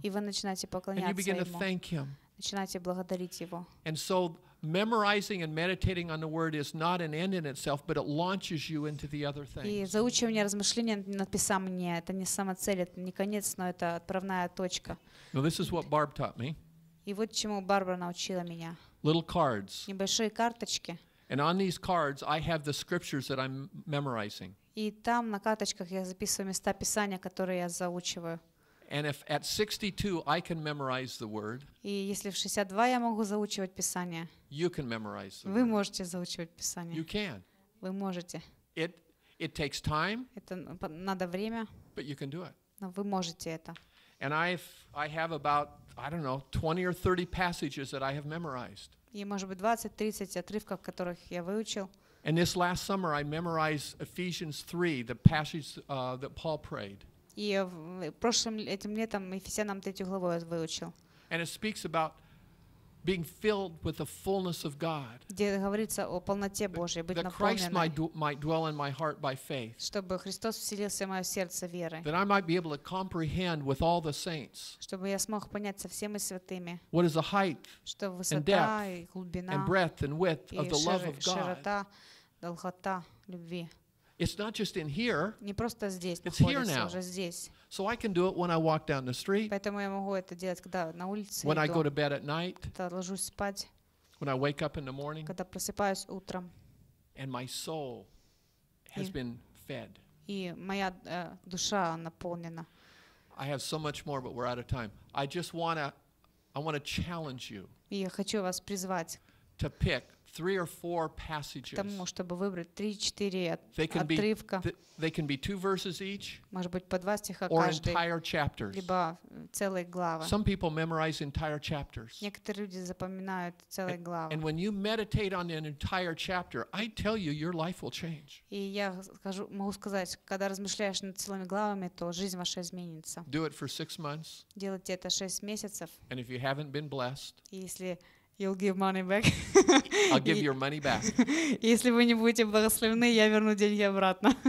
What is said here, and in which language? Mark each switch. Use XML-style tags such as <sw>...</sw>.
<ru>И вы начинаете поклоняться Ему.</ru> <en>And you begin to thank Him.</en> <ru>Начинаете благодарить Его.</ru> <en>And so memorizing and meditating on the word is not an end in itself, but it launches you into the other things.</en> <ru>И заучивание, размышление над Писанием — это не самоцель, это не конец, но это отправная точка.</ru> <en>Now this is what Barb taught me.</en> <ru>И вот чему Барбара научила меня.</ru> <en>Little cards.</en> <ru>Небольшие карточки.</ru> <en>And on these cards, I have the scriptures that I'm memorizing.</en> <ru>И там на карточках я записываю места Писания, которые я заучиваю.</ru> <en>And if at 62 I can memorize the word,</en> <ru>и если в 62 я могу заучивать Писание,</ru> <en>you can memorize the word.</en> <ru>Вы можете заучивать Писание.</ru> <en>You can.</en> <ru>Вы можете.</ru> <en>It takes time.</en> <ru>Это надо время.</ru> <en>But you can do it.</en> <ru>Но вы можете это.</ru> <en>And I have about, I don't know, 20 or 30 passages that I have memorized.</en> <ru>И может быть 20-30 отрывков, которых я выучил.</ru> <en>And this last summer I memorized Ephesians 3, the passage that Paul prayed.</en> <ru>И прошлым этим летом Ефесянам 3 главу я выучил.</ru> <en>And it speaks about being filled with the fullness of God.</en> <ru>Где говорится о полноте Божьей, быть наполненной.</ru> <en>That Christ might dwell in my heart by faith.</en> <ru>Чтобы Христос вселился в мое сердце верой.</ru> <en>That I might be able to comprehend with all the saints.</en> <ru>Чтобы я смог понять со всеми святыми.</ru> <en>What is the height?</en> <ru>Что высота</ru> <en>and depth</en> <ru>и глубина.</ru> <en>And breadth and width of the love of God.</en> <ru>И широта, долгота любви.</ru> <en>It's not just in here.</en> <ru>Не просто здесь.</ru> <en>It's here now.</en> <ru>Уже здесь.</ru> <en>So I can do it when I walk down the street.</en> <ru>Поэтому я могу это делать, когда на улице.</ru> <en>When I go to bed at night.</en> <ru>Когда ложусь спать.</ru> <en>When I wake up in the morning.</en> <ru>Когда просыпаюсь утром.</ru> <en>And my soul has been fed.</en> <ru>И моя душа наполнена.</ru> <en>I have so much more, but we're out of time. I want to challenge you.</en> <ru>Я хочу вас призвать.</ru> <en>To pick three or four passages.</en> <ru>Тому, чтобы выбрать 3-4 отрывка.</ru> <en>They can be two verses each.</en> <ru>Может быть, по два стиха каждый.</ru> <en>Or entire chapters.</en> <ru>Либо целые главы.</ru> <en>Some people memorize entire chapters.</en> <ru>Некоторые люди запоминают целые главы.</ru> <en>And when you meditate on an entire chapter, I tell you, your life will change.</en> <ru>И я скажу, могу сказать, когда размышляешь над целыми главами, то жизнь ваша изменится.</ru> <en>Do it for 6 months.</en> <ru>Делайте это 6 месяцев.</ru> <en>And if you haven't been blessed.</en> <ru>Если</ru> <en>You'll give money back. I'll give your money back.</en> <ru>Если вы не будете благословлены, я верну деньги обратно.</ru>